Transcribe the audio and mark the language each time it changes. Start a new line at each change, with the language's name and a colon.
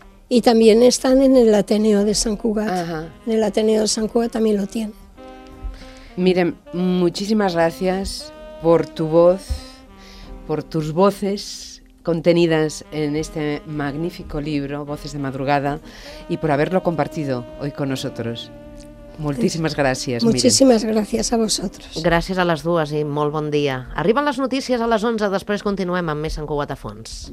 Catalan: I també estan en l'Ateneo de Sant Cugat. Uh-huh.
Spanish: En l'Ateneo de Sant Cugat també lo tienen. Mira, muchísimas gracias por tu voz, por tus voces contenidas en este magnífico libro, Voces de Madrugada, y por haberlo compartido hoy con nosotros.
Catalan: Moltíssimes gràcies, Miriam. Moltíssimes gràcies a vosaltres. Gràcies a les dues i molt bon dia. Arriben les notícies a les 11, després continuem amb més Sant Cugat a fons.